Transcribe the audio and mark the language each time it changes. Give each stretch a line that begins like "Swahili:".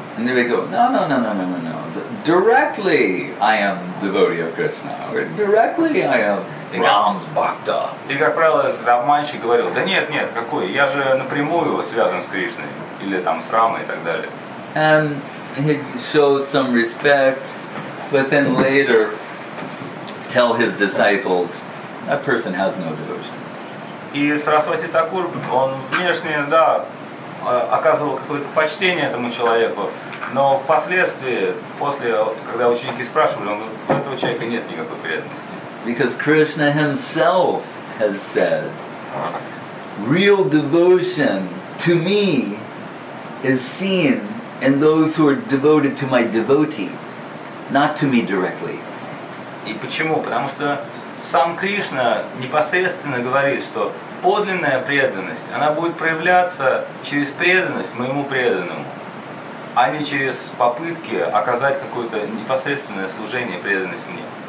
English: And they go, no. Directly I am devotee of Krishna. Directly I am Ram's bhakta.
Russian: И как правило, обманщик говорил, да нет, какой, я же напрямую связан с Кришной или там с Рамой и так далее.
English: And he shows some respect, but then later tell his disciples that person has no devotion.
Russian: И Сарасвати Такур, он внешне, да, оказывал какое-то почтение этому человеку, Но впоследствии, после, когда ученики спрашивали, он говорит, у этого человека нет никакой преданности.
English: Because Krishna himself has said, real devotion to me is seen in those who are devoted to my devotees, not to me directly.
Russian: И почему? Потому что сам Кришна непосредственно говорит, что подлинная преданность, она будет проявляться через преданность моему преданному, а не через попытки оказать какое-то непосредственное служение, преданность мне.